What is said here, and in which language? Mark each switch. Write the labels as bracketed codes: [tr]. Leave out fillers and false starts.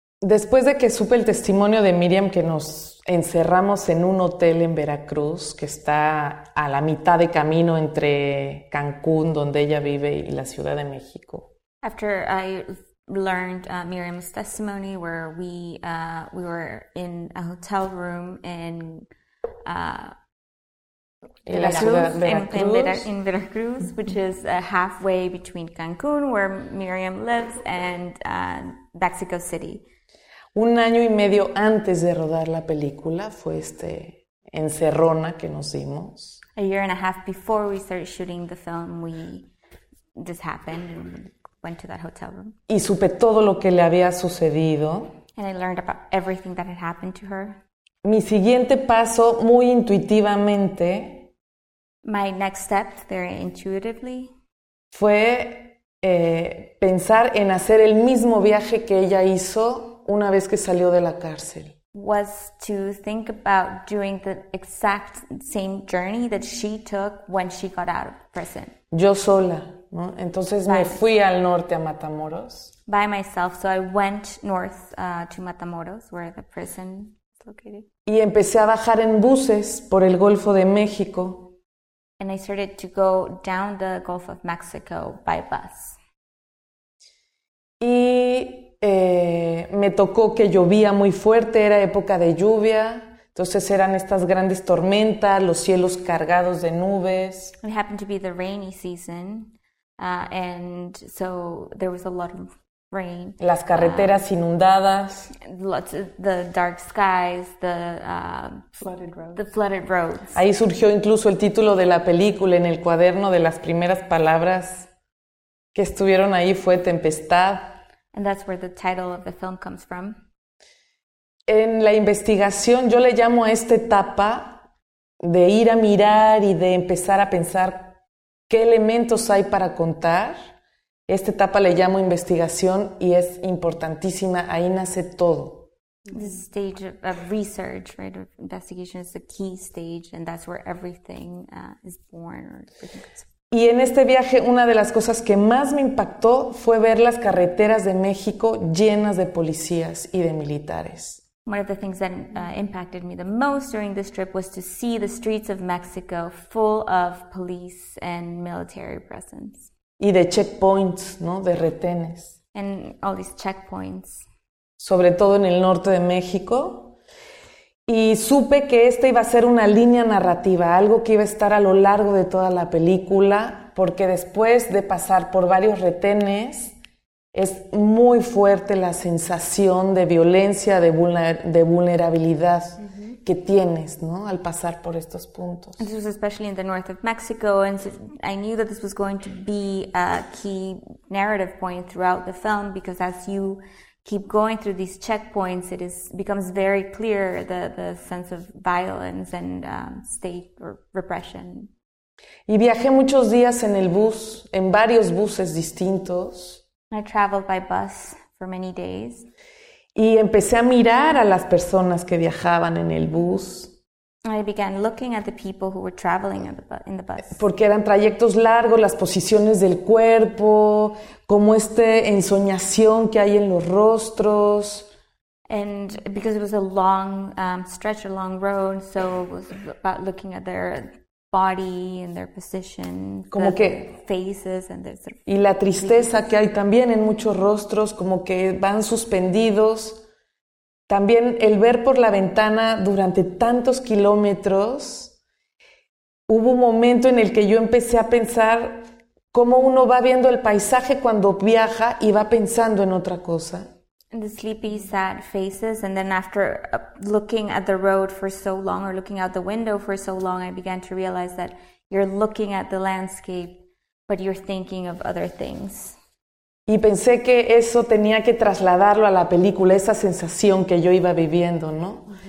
[es] Después de que supe el testimonio de Miriam, que nos encerramos en un hotel en Veracruz, que está a la mitad de camino entre Cancún, donde ella vive, y la Ciudad de México. [en] After I learned Miriam's testimony, where we were in a hotel room in Veracruz, which is halfway between Cancún, where Miriam lives, and Mexico City. [es] Un año y medio antes de rodar la película fue este encerrona que nos dimos. [en] A year and a half before we started shooting the film, this happened, and went to that hotel room. [es] Y supe todo lo que le había sucedido. [en] And I learned about everything that had happened to her. [es] Mi siguiente paso, muy intuitivamente, [en] my next step, very intuitively, [es] fue pensar en hacer el mismo viaje que ella hizo una vez que salió de la cárcel. [en] Was to think about doing the exact same journey that she took when she got out of prison. [es] Yo sola, ¿no? Entonces me fui al norte a Matamoros. [en] By myself, so I went north to Matamoros, where the prison is located. [es] Y empecé a bajar en buses por el Golfo de México. [en] And I started to go down the Gulf of Mexico by bus. [es] Y me tocó que llovía muy fuerte, era época de lluvia. Entonces eran estas grandes tormentas, los cielos cargados de nubes. [en] It happened to be the rainy season. And so there was a lot of rain. [es] Las carreteras inundadas. [en] Lots of the dark skies, the flooded roads. The flooded roads. [es] Ahí surgió incluso el título de la película en el cuaderno de las primeras palabras que estuvieron ahí fue Tempestad. [en] And that's where the title of the film comes from. [es] En la investigación, yo le llamo a esta etapa de ir a mirar y de empezar a pensar qué elementos hay para contar. Esta etapa le llamo investigación y es importantísima. Ahí nace todo. [en] This stage of research, right? Of investigation is the key stage, and that's where everything is born. [es] Y en este viaje, una de las cosas que más me impactó fue ver las carreteras de México llenas de policías y de militares. [en] One of the things that impacted me the most during this trip was to see the streets of Mexico full of police and military presence. [es] Y de checkpoints, ¿no? De retenes. [en] And all these checkpoints. [es] Sobre todo en el norte de México. Y supe que esta iba a ser una línea narrativa, algo que iba a estar a lo largo de toda la película, porque después de pasar por varios retenes, Es muy fuerte la sensación de violencia, de vulnerabilidad que tienes, ¿no? Al pasar por estos puntos. [en] This was especially in the north of Mexico, and I knew that this was going to be a key narrative point throughout the film, because as you keep going through these checkpoints, it is becomes very clear the sense of violence and state or repression. [es] Y viajé muchos días en el bus, en varios buses distintos. [en] I traveled by bus for many days. [es] Y empecé a mirar a las personas que viajaban en el bus. [en] I began looking at the people who were traveling in the bus. [es] Porque eran trayectos largos, las posiciones del cuerpo, como esta ensoñación que hay en los rostros. [en] And because it was a long stretch, a long road, so it was about looking at their body and their position, [es] como que, [en] faces and their sort of [es] y la tristeza [en] faces. [es] Que hay también en muchos rostros, como que van suspendidos. También el ver por la ventana durante tantos kilómetros, hubo un momento en el que yo empecé a pensar cómo uno va viendo el paisaje cuando viaja y va pensando en otra cosa. [en] And the sleepy, sad faces, and then after looking at the road for so long, or looking out the window for so long, I began to realize that you're looking at the landscape, but you're thinking of other things. [es] Y pensé que eso tenía que trasladarlo a la película, esa sensación que yo iba viviendo, ¿no?